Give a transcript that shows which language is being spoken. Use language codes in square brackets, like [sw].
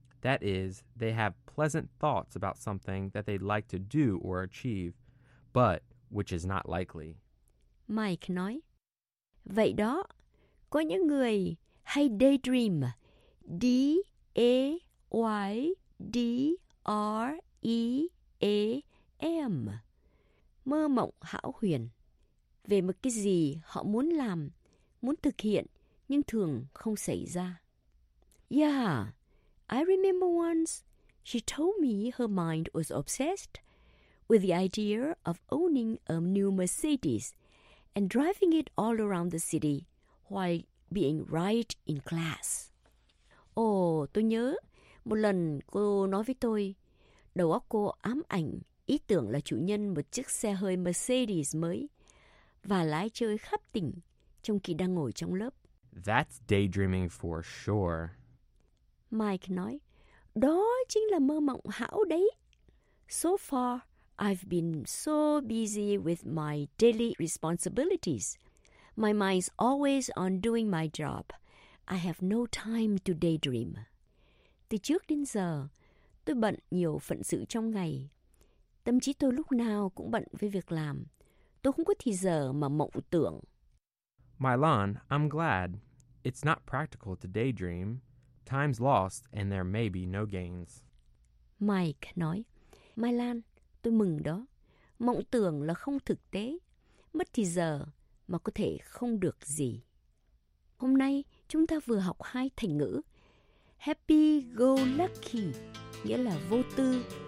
[en] That is, they have pleasant thoughts about something that they'd like to do or achieve, but which is not likely. [vi] Mike nói, vậy đó, có những người hay daydream, D-A-Y-D-R-E-A-M, mơ mộng hão huyền về một cái gì họ muốn làm, muốn thực hiện nhưng thường không xảy ra. [en] Yeah, I remember once she told me her mind was obsessed with the idea of owning a new Mercedes and driving it all around the city while being right in class. [vi] Tôi nhớ một lần cô nói với tôi, đầu óc cô ám ảnh ý tưởng là chủ nhân một chiếc xe hơi Mercedes mới và lái chơi khắp tỉnh trong khi đang ngồi trong lớp. [en] That's daydreaming for sure. [vi] Mike nói, đó chính là mơ mộng hão đấy. [en] So far, I've been so busy with my daily responsibilities. My mind's always on doing my job. I have no time to daydream. [vi] Từ trước đến giờ, tôi bận nhiều phận sự trong ngày. Tâm trí tôi lúc nào cũng bận với việc làm. Tôi không có thời giờ mà mộng tưởng. [en] Mylon, I'm glad. It's not practical to daydream. Time's lost and there may be no gains. [vi] Mike nói, Mylon, tôi mừng đó. Mộng tưởng là không thực tế. Mất thời giờ mà có thể không được gì. Hôm nay, chúng ta vừa học hai thành ngữ. Happy go lucky, nghĩa là vô tư.